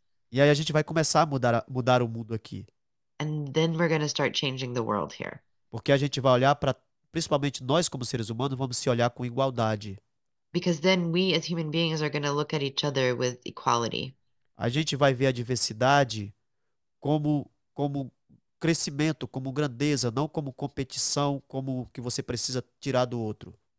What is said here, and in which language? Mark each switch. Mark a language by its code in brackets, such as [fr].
[pt] E aí a gente vai começar a mudar o mundo aqui. [en] And then we're going to start changing the world here. [pt] Porque a gente vai olhar para, principalmente nós como seres humanos, vamos se olhar com igualdade. [en] Because then we as human beings are going to look at each other with equality. [pt] A gente vai ver a diversidade como crescimento, como grandeza, não como competição, como que você precisa tirar do outro.